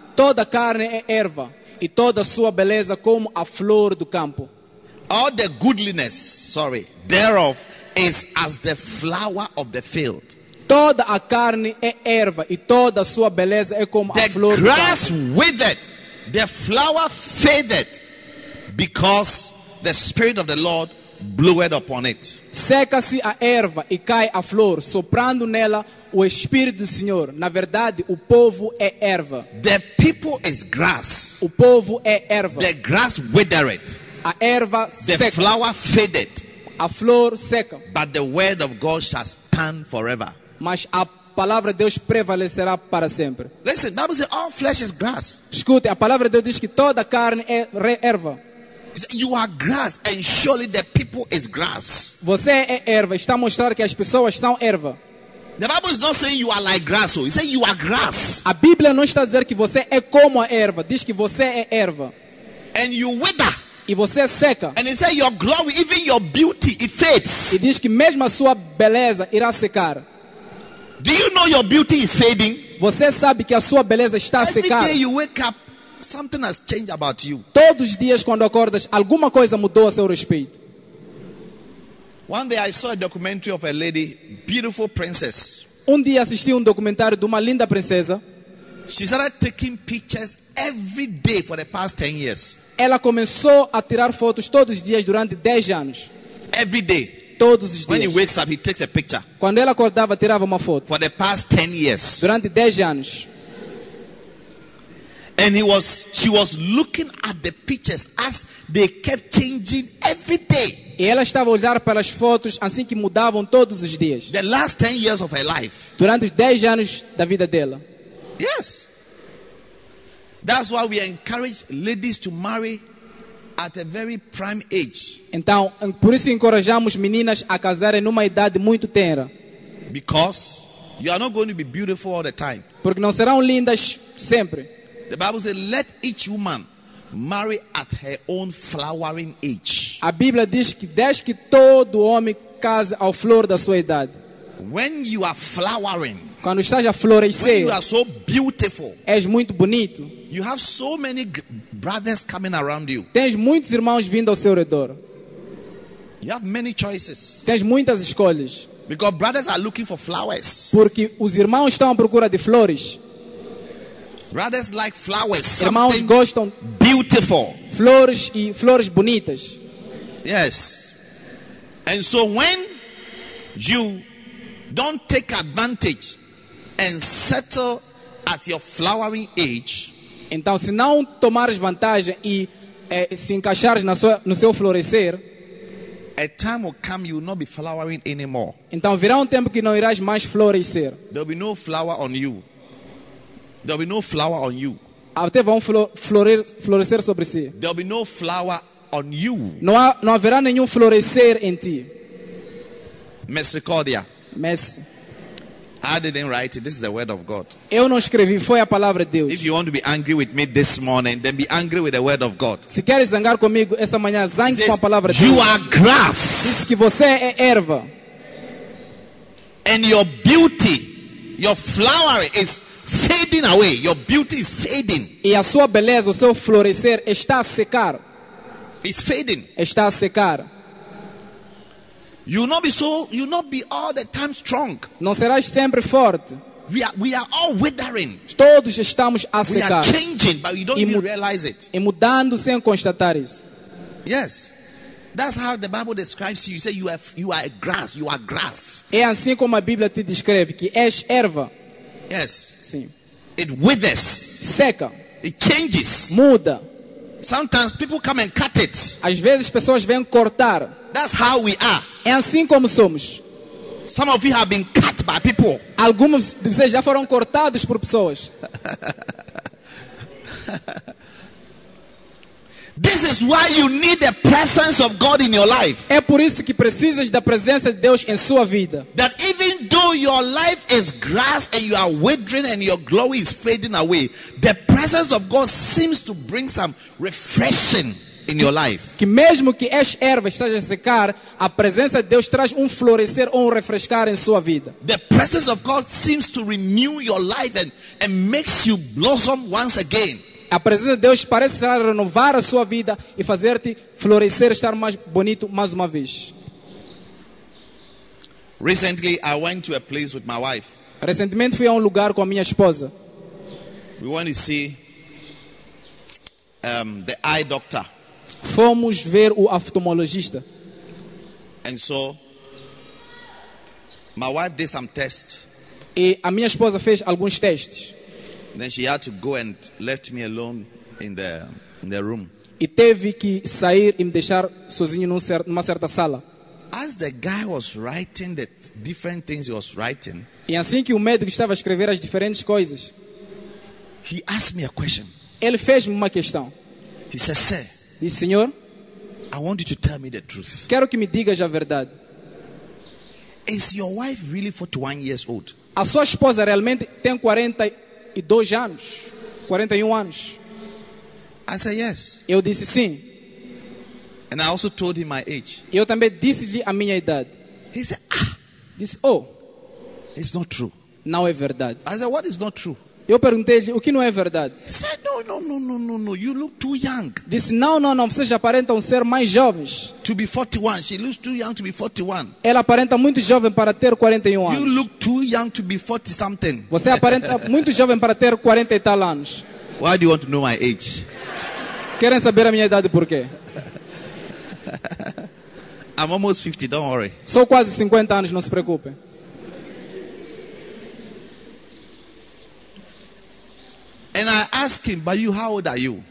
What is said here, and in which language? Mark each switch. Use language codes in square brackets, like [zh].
[pt] Toda carne é erva, e toda sua beleza como a flor do campo. [en] All the goodliness, thereof is as the flower of the field. [pt] Toda a carne é erva e toda a sua beleza é como [en] the [pt] a flor do campo. [en] The grass withered, the flower faded, because the Spirit of the Lord blew upon it. [pt] Seca-se a erva e cai a flor, soprando nela o Espírito do Senhor. Na verdade, o povo é erva. [en] The people is grass. [pt] O povo é erva. [en] The grass withered. [pt] A erva [en] the [pt] seca. [en] The flower faded. [pt] A flor seca. [en] But the word of God shall stand forever. [pt] Mas a palavra de Deus prevalecerá para sempre. [en] Listen, Bible says all flesh is grass. [pt] Escute, a palavra de Deus diz que toda carne é erva. [en] You are grass, and surely the people is grass. [pt] Você é erva. Está mostrando que as pessoas são erva. [en] The Bible is not saying you are like grass. It says you are grass. [pt] A Bíblia não está dizendo que você é como a erva. Diz que você é erva. [en] And you wither. [pt] E você seca. [en] And it says your glory, even your beauty, it fades. [pt] E diz que mesmo a sua beleza irá secar. [en] Do you know your beauty is fading? [pt] Você sabe que a sua beleza está [en] every [pt] secada. [en] Day you wake up, something has changed about you. [pt] Todos os dias quando acordas, alguma coisa mudou a seu respeito. [en] One day I saw a documentary of a lady, beautiful princess. [pt] Dia assisti documentário de uma linda princesa. [en] She started taking pictures every day for the past 10 years. [pt] Ela começou a tirar fotos todos os dias durante 10 anos. [en] Every day. [pt] Todos os dias. [en] When he wakes up, he takes a picture. [pt] Quando ela acordava, tirava uma foto. [en] For the past 10 years. [pt] Durante 10 anos. [en] And she was looking at the pictures as they kept changing every day. [pt] E ela estava a olhar para as fotos assim que mudavam todos os dias. [en] The last 10 years of her life. [pt] Durante os 10 anos da vida dela. [en] Yes. That's why we encourage ladies to marry at a very prime age. [pt] Então, por isso encorajamos meninas a casarem numa idade muito tenra. [en] Because you are not going to be beautiful all the time. [pt] Porque não serão lindas sempre. [en] The Bible says, let each woman marry at her own flowering age. [pt] A Bíblia diz que deixe que todo homem case ao flor da sua idade. [en] When you are flowering, [pt] quando estás a florescer, [en] when you are so beautiful, [pt] és muito bonito. [en] You have so many brothers coming around you. [pt] Tens muitos irmãos vindo ao seu redor. [en] You have many choices. [pt] Tens muitas escolhas. [en] Because brothers are looking for flowers. [pt] Porque os irmãos estão à procura de flores. [en] Brothers like flowers. [pt] Irmãos gostam [en] beautiful. [pt] Flores e flores bonitas. [en] Yes. And so when you don't take advantage and settle at your flowering age, [pt] então, se não tomares vantagem e se encaixares no seu florescer, [en] a time will come you will not be flowering anymore. [pt] Então, virá tempo que não irás mais florescer. [en] There will be no flower on you. There will be no flower on you. [pt] Até vão florescer sobre si. [en] There will be no flower on you. [pt] Não haverá nenhum florescer em ti. Misericórdia. Messi. [en] I didn't write it. This is the word of God. [pt] Eu não escrevi, foi a palavra de Deus. [en] If you want to be angry with me this morning, then be angry with the word of God. [pt] Se queres zangar comigo essa manhã, zangue com a palavra de Deus. [en] You are grass. [pt] Diz que você é erva. [en] And your beauty, your flower is faded. fading away. Your beauty is fading. [pt] E a sua beleza, o seu florescer está a secar. [en] It's fading. [pt] Está a secar. [en] You will not be all the time strong. [pt] Não serás sempre forte. [en] We are all withering. [pt] Todos estamos a secar. [en] We are changing, but we don't even realize it. [pt] E mudando sem constatar isso. [en] Yes. That's how the Bible describes you. You say you are grass. You are grass. [pt] É assim como a Bíblia te descreve, que és erva. [en] Yes. [pt] Sim. [en] It withers. [pt] Seca. [en] It changes. [pt] Muda. [en] Sometimes people come and cut it. [pt] Às vezes pessoas vêm cortar. [en] That's how we are. [pt] É assim como somos. [en] Some of you have been cut by people. [pt] Alguns de vocês já foram cortados por pessoas. [en] This is why you need the presence of God in your life. [pt] É por isso que precisas da presença de Deus em sua vida. [en] That even though your life is grass and you are withering and your glory is fading away, the presence of God seems to bring some refreshing in your life. [pt] Que mesmo que as ervas estejam a secar, a presença de Deus traz florescer ou refrescar em sua vida. [en] The presence of God seems to renew your life and makes you blossom once again. [pt] A presença de Deus parece renovar a sua vida e fazer-te florescer, estar mais bonito mais uma vez. [en] Recently, I went to a place with my wife. [pt] Recentemente fui a lugar com a minha esposa. [en] We went to see the eye doctor. [pt] Fomos ver o oftalmologista. [en] And so my wife did some tests. [pt] E a minha esposa fez alguns testes. [en] Then she had to go and left me alone in the room. [pt] E teve que sair e me deixar sozinho numa certa sala. [en] As the guy was writing the different things he was writing. [pt] E assim que o médico estava a escrever as diferentes coisas. [en] He asked me a question. [pt] Ele fez-me uma questão. [en] He said, "Sir, [pt] disse, Senhor, [en] I want you to tell me the truth. [pt] Quero que me digas a verdade. [en] Is your wife really 41 years old? [pt] A sua esposa realmente tem 42 anos? 41 anos? [en] I said yes. [pt] Eu disse sim. [en] And I also told him my age. [pt] Eu também disse-lhe a minha idade. [en] He said, [pt] disse, oh, [en] it's not true. [pt] Não é verdade. [en] I said, what is not true? [pt] Eu perguntei-lhe, o que não é verdade? [en] He said, no, you look too young. [pt] Disse, não, vocês aparentam ser mais jovens. [en] To be 41, she looks too young to be 41. [pt] Ela aparenta muito jovem para ter 41 anos. [en] You look too young to be 40 something. [pt] Você aparenta muito jovem para ter 40 e tal anos. [en] Why do you want to know my age? [pt] Querem saber a minha idade por quê? [en] I'm almost 50, don't worry. [pt] Sou quase 50 anos, não se preocupe. [en] And I asked him, but you, how old are you?